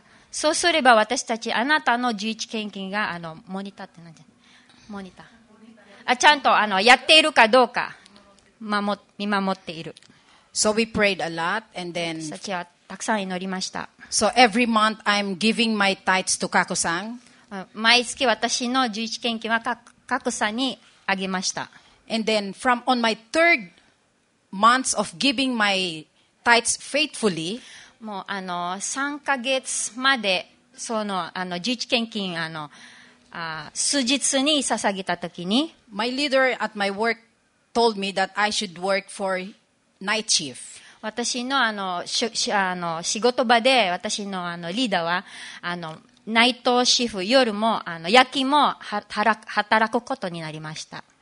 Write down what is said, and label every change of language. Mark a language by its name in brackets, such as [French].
[Japanese] そうすれば私たちあなたの11献金がモニターって何じゃモニターあちゃんとやっているかどうか見守っている。 [English] So we prayed a lot and then [Japanese] 私たちはたくさん祈りました。 [English] So every month I'm giving my tithes to Kaku-san. [Japanese] 毎月私の11献金はKaku-san にあげました。 [English] And then from on my third month of giving my tithes faithfully, [Japanese] もう3ヶ月までその11献金数日に捧げたときに [English] My leader at my work told me that I should work for night shift. [Japanese] 私の仕事場で私のリーダーはナイトシフト夜も夜勤も働くことになりました。